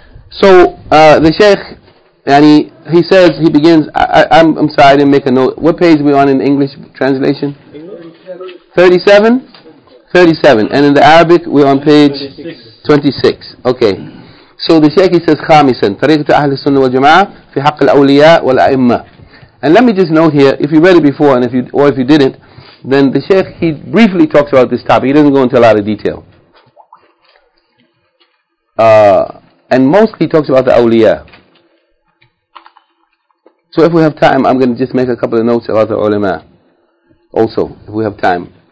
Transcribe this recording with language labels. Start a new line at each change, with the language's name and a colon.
English: So, the Shaykh, and he begins, I'm sorry, I didn't make a note. What page are we on in English translation? 37? 37. And in the Arabic, we're on page 26. Okay. So the Shaykh, he says,
Arabic: خامساً طريقة أهل السنة والجماعة في حق الأولياء والأئمة.
English: And let me just note here, if you read it before, and if you didn't, then the Shaykh, he briefly talks about this topic. He doesn't go into a lot of detail. And mostly talks about the أولياء. So if we have time, I'm going to just make a couple of notes about the ulama also, if we have time.